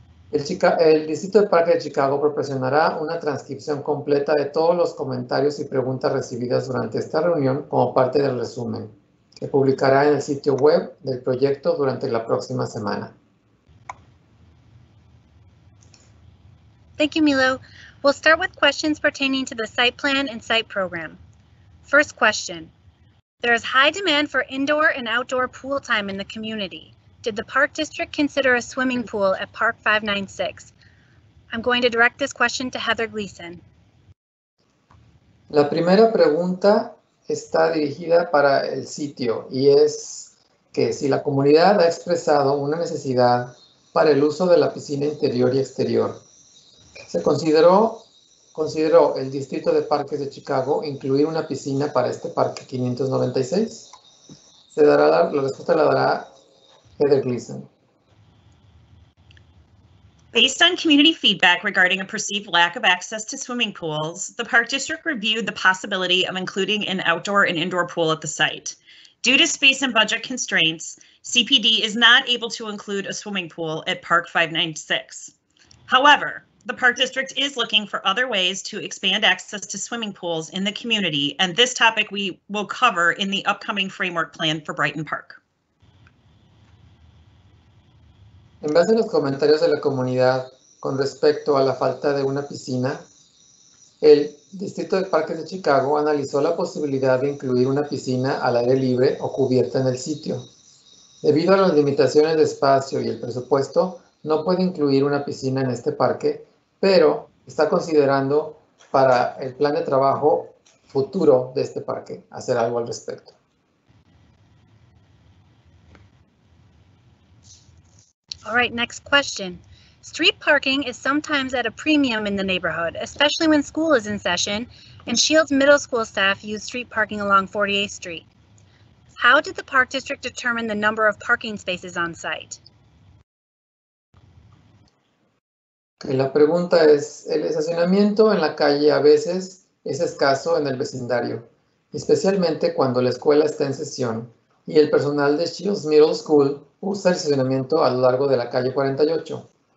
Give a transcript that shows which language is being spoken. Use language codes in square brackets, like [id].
[es] El Distrito de Parque de Chicago proporcionará una transcripción completa de todos los comentarios y preguntas recibidas durante esta reunión como parte del resumen, que publicará en el sitio web del proyecto durante la próxima semana. [en] Thank you, Milo. We'll start with questions pertaining to the site plan and site program. First question. There is high demand for indoor and outdoor pool time in the community. Did the park district consider a swimming pool at Park 596? I'm going to direct this question to Heather Gleason. [es] La primera pregunta está dirigida para el sitio y es que si la comunidad ha expresado una necesidad para el uso de la piscina interior y exterior. Se consideró el Distrito de Parques de Chicago incluir una piscina para este parque 596. La respuesta la dará Heather Gleason. [en] Based on community feedback regarding a perceived lack of access to swimming pools, the park district reviewed the possibility of including an outdoor and indoor pool at the site. Due to space and budget constraints, CPD is not able to include a swimming pool at Park 596. However, the Park District is looking for other ways to expand access to swimming pools in the community, and this topic we will cover in the upcoming framework plan for Brighton Park. [es] En base a los comentarios de la comunidad con respecto a la falta de una piscina, el Distrito de Parques de Chicago analizó la posibilidad de incluir una piscina al aire libre o cubierta en el sitio. Debido a las limitaciones de espacio y el presupuesto, no puede incluir una piscina en este parque, pero está considerando para el plan de trabajo futuro de este parque hacer algo al respecto. [en] All right, next question. Street parking is sometimes at a premium in the neighborhood, especially when school is in session, and Shields Middle School staff use street parking along 48th Street. How did the Park District determine the number of parking spaces on site? [es] Okay, la pregunta es, el estacionamiento en la calle a veces es escaso en el vecindario, especialmente cuando la escuela está en sesión y el personal de Shields Middle School usa el estacionamiento a lo largo de la calle 48.